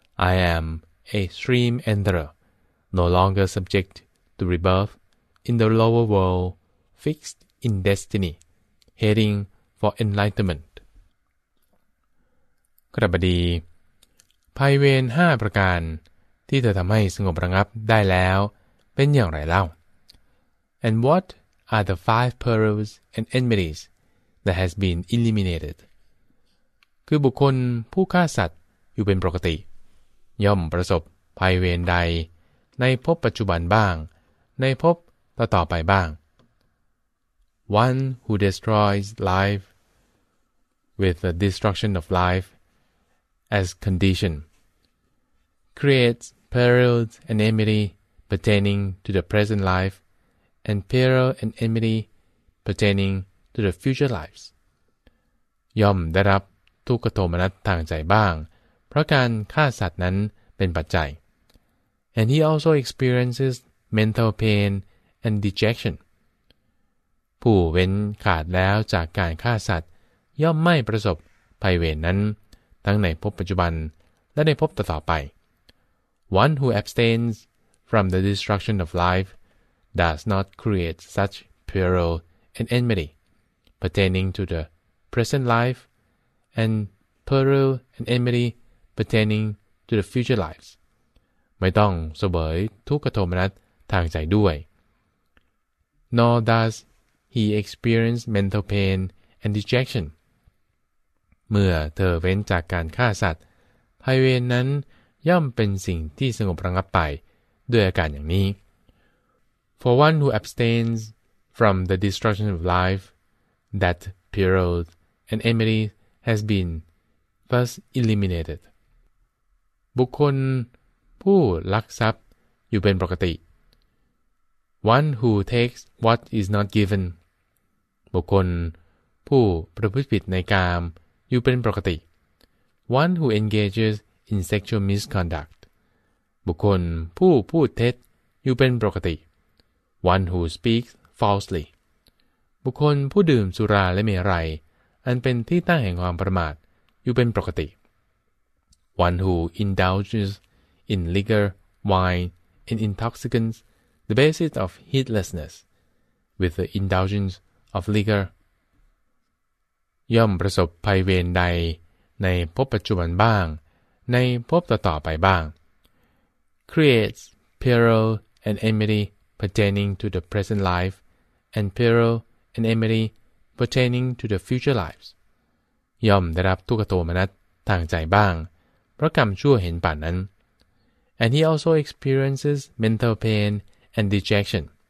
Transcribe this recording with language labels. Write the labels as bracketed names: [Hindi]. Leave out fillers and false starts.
[English] I am a stream enterer, no longer subject to rebirth in the lower world, fixed in destiny, heading for enlightenment. [Thai] กระบดีภัยเวร5ประการที่เธอทำให้สงบระงับได้แล้วเป็นอย่างไรเล่า [English] And what are the five perils and enmities? That has been eliminated. [Thai] คือบุคคลผู้ฆ่าสัตว์อยู่เป็นปกติย่อมประสบภัยเวรใดในภพปัจจุบันบ้างในภพต่อๆไปบ้าง [English] One who destroys life with the destruction of life as condition creates perils and enmity pertaining to the present life and peril and enmity pertaining. To the future lives. [Thai] ย่อมได้รับทุกขโทมนัสทางใจบ้างเพราะการฆ่าสัตว์นั้นเป็นปัจจัย [English] And he also experiences mental pain and dejection. [Thai] ผู้เว้นขาดแล้วจากการฆ่าสัตว์ย่อมไม่ประสบภัยเวรนั้นทั้งในภพปัจจุบันและในภพต่อไป [English] One who abstains from the destruction of life does not create such peril and enmity. Pertaining to the present life, and peril and enmity pertaining to the future lives. [Thai] ไม่ต้องเสวยทุกขโทมนัสทางใจด้วย [English] Nor does he experience mental pain and dejection. [Thai] เมื่อเธอเว้นจากการฆ่าสัตว์ภัยเวรนั้นย่อมเป็นสิ่งที่สงบระงับไปด้วยอาการอย่างนี้ [English] For one who abstains from the destruction of lifeThat peril and enmity has been thus eliminated. [Thai] บุคคลผู้ลักทรัพย์อยู่เป็นปกติ [English] One who takes what is not given [Thai] บุคคลผู้ประพฤติผิดในกามอยู่เป็นปกติ [English] One who engages in sexual misconduct [Thai] บุคคลผู้พูดเท็จอยู่เป็นปกติ [English] One who speaks falsely [Thai] บุคคลผู้ดื่มสุราและเมรัยอันเป็นที่ตั้งแห่งความประมาทอยู่เป็นปกติ [English] One who indulges in liquor, wine, and intoxicants, the basis of heedlessness, with the indulgence of liquor. [Thai] ย่อมประสบภัยเวรใดในภพปัจจุบันบ้างในภพต่อๆไปบ้าง [English] Creates peril and enmity pertaining to the present life, and peril and enmity pertaining to the future lives. [Thai] ย่อมได้รับทุกขโทมนัสทางใจบ้างเพราะกรรมชั่วเห็นป่านนั้น [English] and he also experiences mental pain and dejection